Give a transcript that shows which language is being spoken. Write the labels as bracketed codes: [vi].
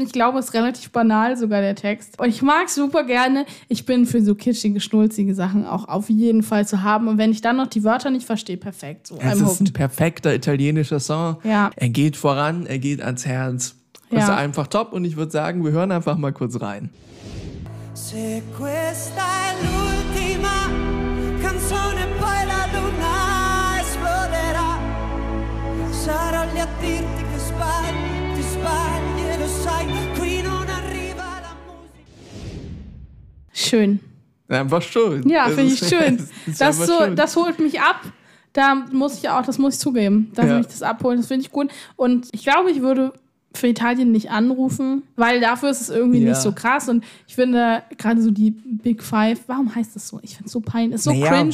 [de] Ich glaube, es ist relativ banal sogar, der Text. Und ich mag es super gerne. Ich bin für so kitschige, schnulzige Sachen auch auf jeden Fall zu haben. Und wenn ich dann noch die Wörter nicht verstehe, perfekt. So, es ist ein perfekter italienischer Song. Ja. Er geht voran. Er geht ans Herz. Ja. Ist einfach top und ich würde sagen, wir hören einfach mal kurz rein. [it] Se questa è l'ultima canzone, poi la luna esploderà. Sarò lì a dirti che sbagli, ti sbagli, lo sai, qui non arriva la musica. [de] Schön. Einfach schön. Ja, finde ich schön. Das holt mich ab. Da muss ich auch, das muss ich zugeben, dass ich mich das abholen, das finde ich gut. Und ich glaube, ich würde für Italien nicht anrufen, weil dafür ist es irgendwie nicht so krass. Und ich finde gerade so die Big Five, warum heißt das so? Ich finde es so peinlich, ist so cringe.